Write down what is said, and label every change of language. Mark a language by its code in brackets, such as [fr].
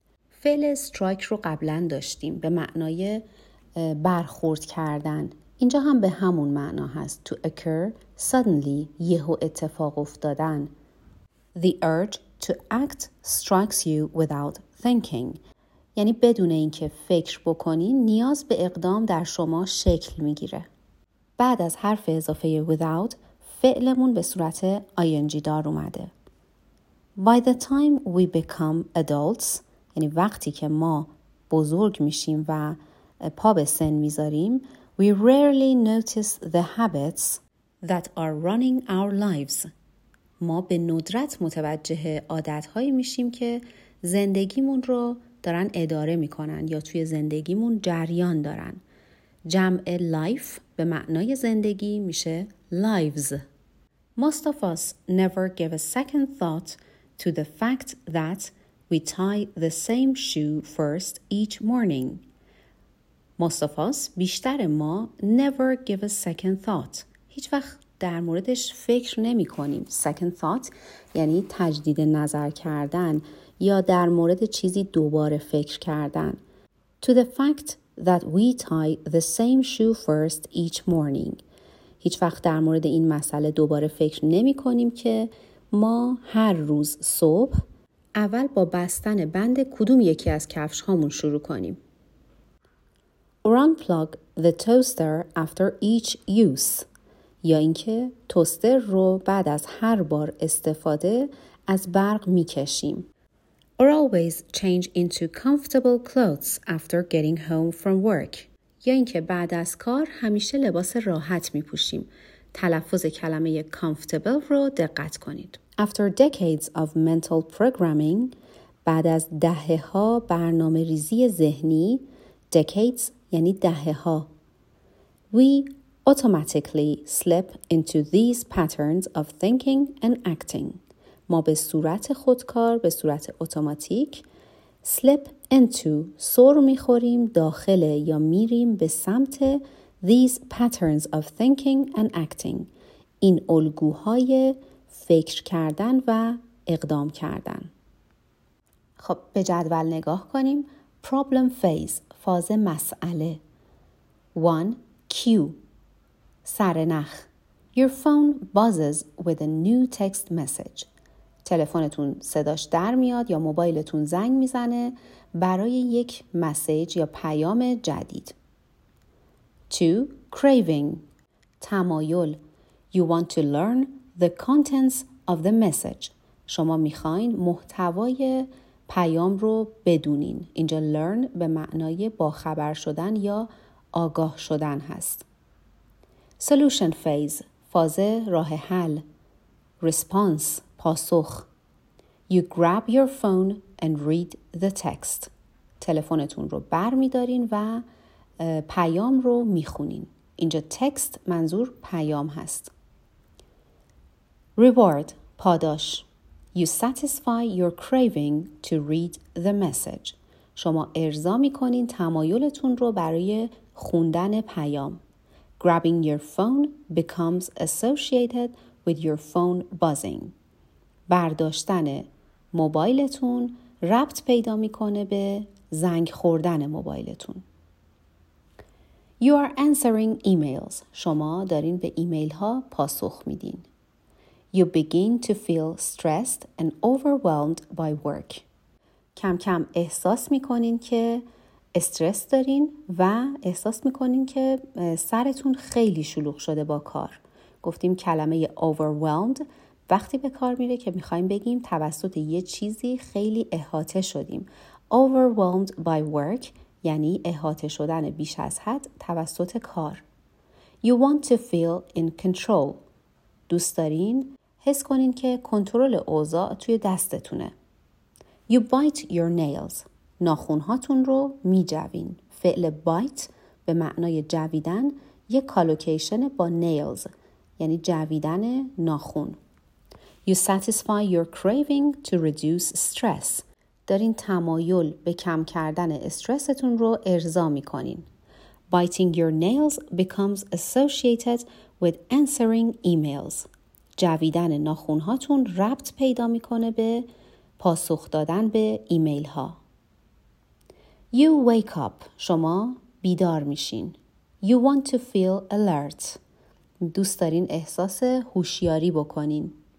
[fa] فعل strike رو قبلا داشتیم به معنای برخورد کردن. اینجا هم به همون معنا هست. [en] To occur suddenly [fa] یهو اتفاق افتادن. [en] The urge to act strikes you without thinking. [fa] یعنی بدون اینکه فکر بکنین نیاز به اقدام در شما شکل میگیره. بعد از حرف اضافه without فعلمون به صورت ing دار اومده. [en] By the time we become adults, [fa] یعنی وقتی که ما بزرگ میشیم و پا به سن میذاریم, [en] we rarely notice the habits that are running our lives. [fa] ما به ندرت متوجه عادتهایی میشیم که زندگیمون رو دارن اداره میکنن یا توی زندگیمون جریان دارن. جمع life به معنای زندگی میشه lives. [en] Most of us never give a second thought to the fact that we tie the same shoe first each morning. Most of us, [fa] بیشتر ما, [en] never give a second thought. [fa] هیچ وقت در موردش فکر نمی کنیم. [en] Second thought [fa] یعنی تجدید نظر کردن یا در مورد چیزی دوباره فکر کردن. [en] To the fact that we tie the same shoe first each morning. [fa] هیچ وقت در مورد این مسئله دوباره فکر نمی کنیم که ما هر روز صبح اول با بستن بند کدوم یکی از کفش هامون شروع کنیم. [en] Or unplug the toaster after each use. [fa] یا اینکه توستر رو بعد از هر بار استفاده از برق می کشیم. [en] Or always change into comfortable clothes after getting home from work. [fa] یا اینکه بعد از کار همیشه لباس راحت می پوشیم. تلفظ کلمه comfortable رو دقت کنید. [en] After decades of mental programming, [fa] بعد از دهه ها برنامه ریزی ذهنی, decades یعنی دهه ها, [en] we automatically slip into these patterns of thinking and acting. [fa] ما به صورت خودکار, به صورت اتوماتیک, [en] slip into, [fa] سر میخوریم داخل یا میریم به سمت [en] these patterns of thinking and acting. [fa] این الگوهای فکر کردن و اقدام کردن. خب به جدول نگاه کنیم. [en] Problem phase, [fa] فاز مسئله. [en] 1. Cue, [fa] سرنخ. [en] Your phone buzzes with a new text message. [fa] تلفنتون صداش در میاد یا موبایلتون زنگ میزنه برای یک مسیج یا پیام جدید. [en] 2. Craving, [fa] تمایل. [en] You want to learn the contents of the message. [fa] شما میخواین محتوای پیام رو بدونین. اینجا learn به معنای باخبر شدن یا آگاه شدن هست. [en] Solution phase, [fa] فاز راه حل. [en] Response, پاسخ. You grab your phone and read the text. [fa] تلفنتون رو بر میدارین و پیام رو میخونین. اینجا text منظور پیام هست. [en] Reward, پاداش. You satisfy your craving to read the message. [fa] شما ارضا میکنین تمایلتون رو برای خوندن پیام. [en] Grabbing your phone becomes associated with your phone buzzing. [fa] برداشتن موبایلتون ربط پیدا میکنه به زنگ خوردن موبایلتون. [en] You are answering emails. [fa] شما دارین به ایمیل ها پاسخ میدین. [en] You begin to feel stressed and overwhelmed by work. [fa] کم کم احساس میکنین که استرس دارین و احساس میکنین که سرتون خیلی شلوغ شده با کار. گفتیم کلمه overwhelmed وقتی به کار میره که میخوایم بگیم توسط یه چیزی خیلی احاطه شدیم. [en] Overwhelmed by work [fa] یعنی احاطه شدن بیش از حد توسط کار. [en] You want to feel in control. [fa] دوست دارین حس کنین که کنترل اوضاع توی دستتونه. [en] You bite your nails. [fa] ناخونهاتون رو می جوین. فعل bite به معنای جویدن یه کالوکیشن با nails. یعنی جویدن ناخون. [en] You satisfy your craving to reduce stress. [fa] دارین تمایل به کم کردن استرستون رو ارضا می کنین. [en] Biting your nails becomes associated with answering emails. [fa] جویدن ناخونهاتون ربط پیدا میکنه به پاسخ دادن به ایمیل ها. [en] You wake up. [fa] شما بیدار میشین. [en] You want to feel alert. [fa] دوست دارین احساس هوشیاری بکنین.